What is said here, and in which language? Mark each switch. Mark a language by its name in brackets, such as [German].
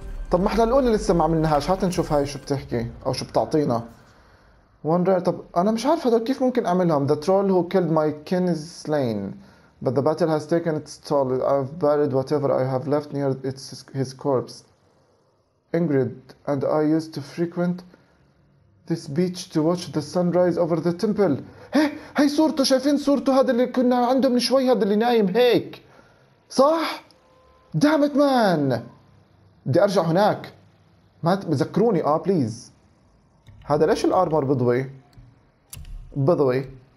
[Arabic] طب ما احنا الأولى لسه ما عملناهاش، هات نشوف هاي شو بتحكي أو شو بتعطينا. Wonder. طب أنا مش عارف هذا كيف ممكن أعملهم. [English] The troll who killed my kin is slain, but the battle has taken its toll. I've buried whatever I have left near its his corpse. Ingrid and I used to frequent this beach to watch the sunrise over the temple. [Arabic] هي هي صورته، شايفين صورته؟ هذا اللي كنا عنده من شوي، هذا اللي نايم هيك صح؟ [English] Damn it man، [Arabic] بدي أرجع هناك. ما تذكروني. بليز. هذا ليش الارمر بضوي؟ بضوي.